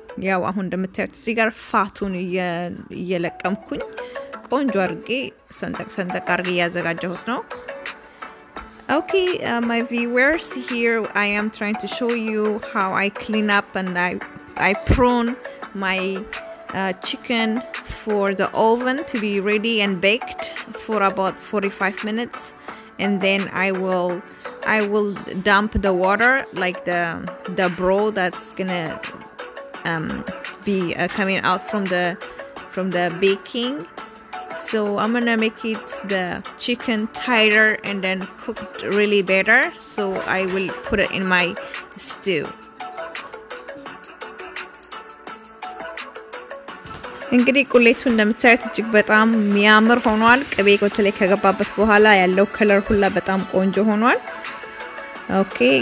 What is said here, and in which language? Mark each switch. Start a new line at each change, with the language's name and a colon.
Amharic: ያው አሁን እንደምታዩት እዚህ ጋር ፋቱን እየለቀምኩኝ ቆንጆ አድርጌ ሰንጠቅ ሰንጠቅ አድርጌ እያዘጋጀሁት ነው
English: Okay, my viewers, here I am trying to show you how I clean up and I prune my chicken for the oven to be ready and baked for about 45 minutes. And then I will dump the water, like the broth that's gonna be coming out from the baking. So I'm gonna make it the chicken tighter and then cooked really better so I will put it in my stew
Amharic: እንግዲህ ቁሌቱ እንደምታዩት እጅግ በጣም የሚያምር ሆኗል ቅቤ ከተለይ ከገባበት በኋላ ያለው ከለር ሁላ በጣም ቆንጆ ሆኗል ኦኬ